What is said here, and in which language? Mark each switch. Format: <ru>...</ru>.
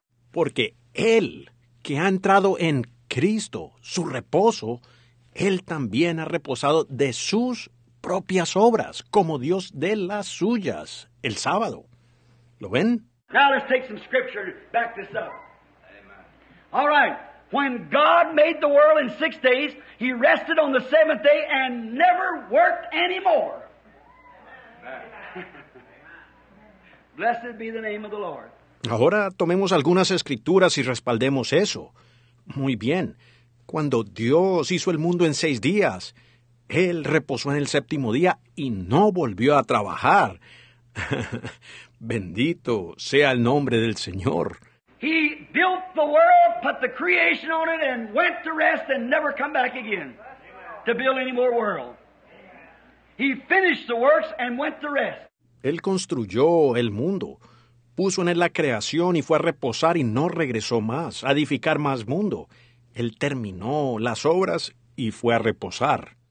<es>Porque él que ha entrado en Cristo, su reposo, él también ha reposado de sus propias obras, como Dios de las suyas, el sábado. ¿Lo ven?</es> <en>Now let's take some scripture and back this up. Amen. All right. When God made the world in 6 days, he rested on the seventh day and never worked anymore. Amen. Blessed be the name of the Lord.</en> <es>Ahora tomemos algunas escrituras y respaldemos eso. Muy bien. Cuando Dios hizo el mundo en 6 días, él reposó en el séptimo día y no volvió a trabajar. Bendito sea el nombre del Señor.</es> <en>He built the world, put the creation on it, and went to rest and never come back again to build any more world. He finished the works and went to rest.</en> <es>Él construyó el mundo, puso en él la creación y fue a reposar y no regresó más, a edificar más mundo. Él terminó las obras y fue a reposar.</es>